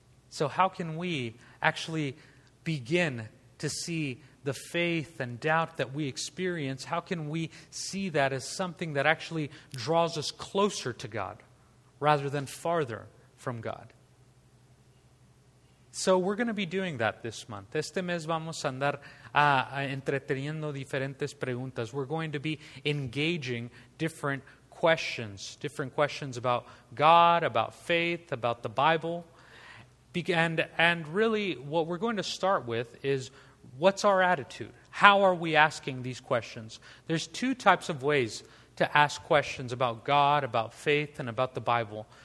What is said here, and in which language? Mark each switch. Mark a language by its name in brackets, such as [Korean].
[English] So how can we actually begin to see the faith and doubt that we experience, how can we see that as something that actually draws us closer to God rather than farther from God? So we're going to be doing that this month. [Spanish] Este mes vamos a andar entreteniendo diferentes preguntas. [English] We're going to be engaging different questions about God, about faith, about the Bible. And really, what we're going to start with is, what's our attitude? How are we asking these questions? There's two types of ways to ask questions about God, about faith, and about the Bible.